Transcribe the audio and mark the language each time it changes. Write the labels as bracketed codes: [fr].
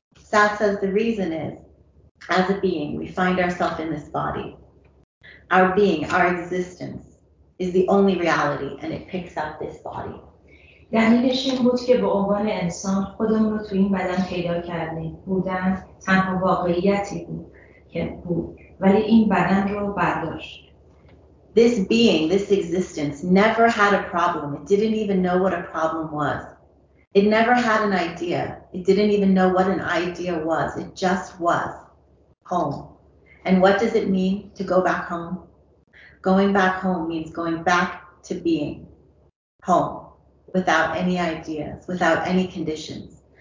[en] Sat says the reason is, as a being, we find ourselves in this body. Our being, our existence, is the only reality, and it picks up this body. [fa] دلیل این بود که به عنوان انسان خودمون رو تو این بدن پیدا کردیم. بودن تنها واقعیتی بود که بود. ولی این بدن رو برداشت. [en] This being, this existence, never had a problem. It didn't even know what a problem was. It never had an idea. It didn't even know what an idea was. It just was home. And what does it mean to go back home? Going back home means going back to being home without any ideas, without any conditions.